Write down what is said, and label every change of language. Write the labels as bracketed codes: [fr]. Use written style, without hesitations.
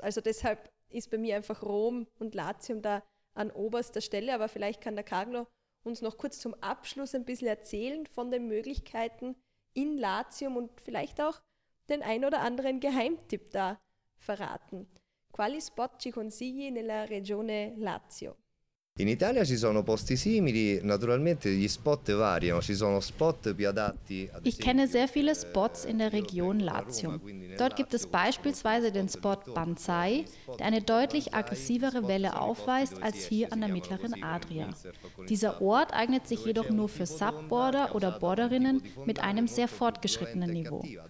[de] Also deshalb ist bei mir einfach Rom und Latium da an oberster Stelle. Aber vielleicht kann der Carlo uns noch kurz zum Abschluss ein bisschen erzählen von den Möglichkeiten in Latium und vielleicht auch den ein oder anderen Geheimtipp da verraten. [it] Quali spot ci consigli nella regione Lazio? In Italia ci sono posti simili, naturalmente gli spot variano, ci sono spot più adatti. [de] Ich kenne sehr viele Spots in der Region Lazio. Dort gibt es beispielsweise den Spot Banzai, der eine deutlich aggressivere Welle aufweist als hier an der mittleren Adria. Dieser Ort eignet sich jedoch nur für Subboarder oder Boarderinnen mit einem sehr fortgeschrittenen Niveau.